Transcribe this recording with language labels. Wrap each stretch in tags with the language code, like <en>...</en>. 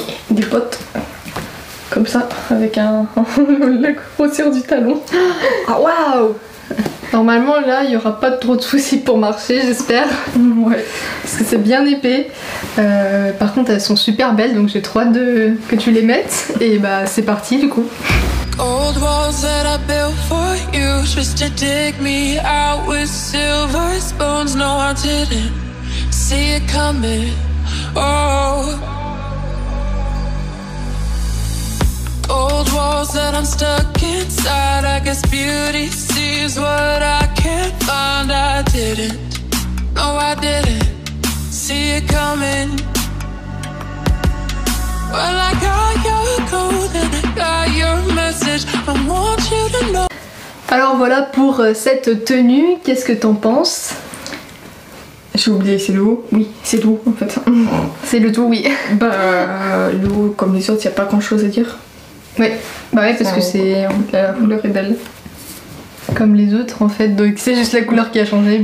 <fr>des bottes comme ça, avec un la grosseur du talon. Oh, wow. Normalement, là, il n'y aura pas trop de soucis pour marcher, j'espère. Ouais. Parce que c'est bien épais. Par contre, elles sont super belles, donc j'ai trop hâte de... que tu les mettes. Et bah, c'est parti, du coup.</fr> <en>Old walls that I built for you, just to dig me out with silver spoons. No, I didn't see it coming. Oh. Old walls that I'm stuck inside, I guess beauty sees what I can't find. I didn't, no I didn't see it coming. Well I got your code and I got your message, I want you to know.</en> <fr>Alors voilà pour cette tenue, qu'est-ce que t'en penses? J'ai oublié, c'est le haut. Oui, c'est le haut en fait. C'est le tout, oui. Bah le haut comme les autres, y a pas grand chose à dire. Ouais, bah ouais, parce que c'est la couleur est belle. Comme les autres en fait, donc c'est juste la couleur qui a changé.</fr>